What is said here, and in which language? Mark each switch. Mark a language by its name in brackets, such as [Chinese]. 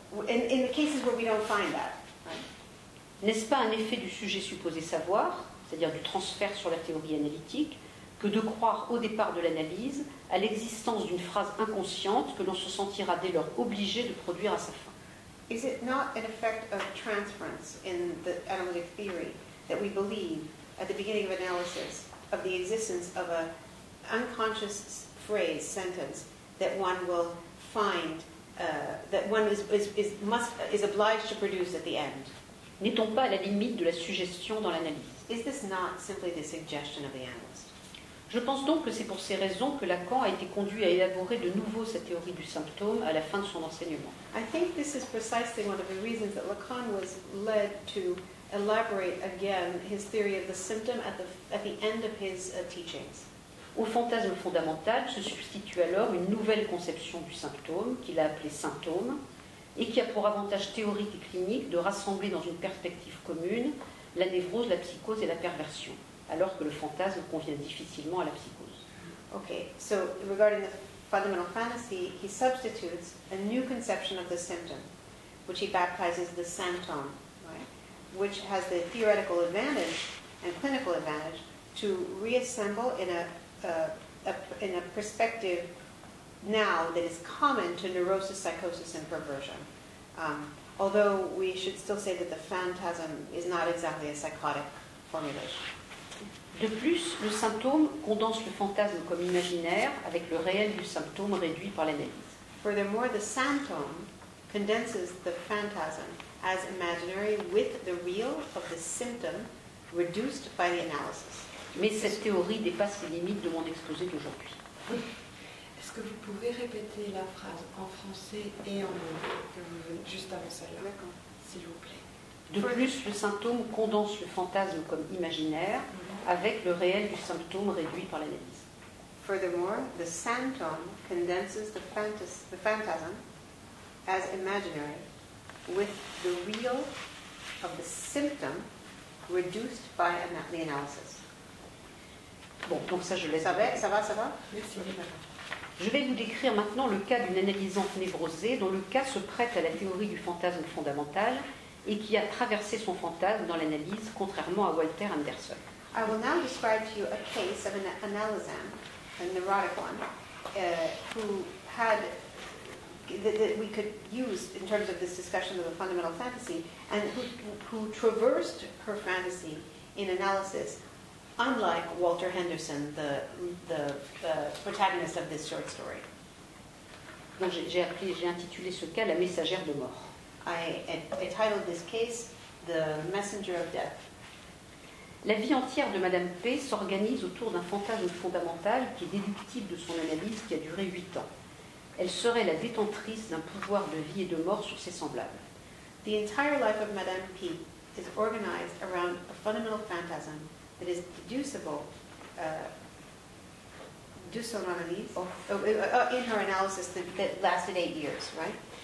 [English] In the cases where we don't find that. [French] N'est-ce pas un effet du sujet supposé savoir, c'est-à-dire du transfert sur la théorie analytique, que de croire au départ de l'analyse à l'existence d'une phrase inconsciente que l'on se sentira dès lors obligé de produire à sa fin? [English] Is it not an effect of transference in the analytic theory that we believe at the beginning of analysis of the existence of an unconscious phrase, sentence, that one will find, that one is obliged to produce at the end? [French] N'est-on pas à la limite de la suggestion dans l'analyse? [English] Is this not simply the suggestion of the analyst? [French] Je pense donc que c'est pour ces raisons que Lacan a été conduit à élaborer de nouveau sa théorie du symptôme à la fin de son enseignement. [English] I think this is precisely one of the reasons that Lacan was led to elaborate again his theory of the symptom at the end of his teachings. [French] Au fantasme fondamental se substitue alors une nouvelle conception du symptôme qu'il a appelée symptôme, et qui a pour avantage théorique et clinique de rassembler dans une perspective commune la névrose, la psychose et la perversion, alors que le fantasme convient difficilement à la psychose. [English] Okay, so regarding the fundamental fantasy, he substitutes a new conception of the symptom, which he baptizes the symptom, right? Which has the theoretical advantage and clinical advantage to reassemble in a perspective now that is common to neurosis, psychosis, and perversion. Although we should still say that the phantasm is not exactly a psychotic formulation. [French] De plus, le symptôme condense le fantasme comme imaginaire avec le réel du symptôme réduit par l'analyse. [English] Furthermore, the symptom condenses the phantasm as imaginary with the real of the symptom reduced by the analysis. [French] Mais cette théorie dépasse les limites de mon exposé d'aujourd'hui. Est-ce que vous pouvez répéter la phrase en français et en anglais, juste avant celle-là, d'accord, s'il vous plaît? De plus, le symptôme condense le fantasme comme imaginaire avec le réel du symptôme réduit par l'analyse. [English] Furthermore, the symptom condenses the phantasm as imaginary with the real of the symptom reduced by the analysis. [French] Bon, donc ça je laisse. Ça va? Merci. Je vais vous décrire maintenant le cas d'une analysante névrosée dont le cas se prête à la théorie du fantasme fondamental et qui a traversé son fantasme dans l'analyse, contrairement à Walter Anderson. [English] I will now describe to you a case of an analysant, a neurotic one, who had that we could use in terms of this discussion of the fundamental fantasy, and who traversed her fantasy in analysis. Unlike Walter Henderson, the protagonist of this short story. [French] Donc j'ai intitulé ce cas La Messagère de Mort. [English] I titled this case The Messenger of Death. [French] La vie entière de Madame P s'organise autour d'un fantasme fondamental qui est déductible de son analyse qui a duré 8 ans. Elle serait la détentrice d'un pouvoir de vie et de mort sur ses semblables. [English] The entire life of Madame P is organized around a fundamental phantasm that is deducible in her analysis that lasted 8 years, right?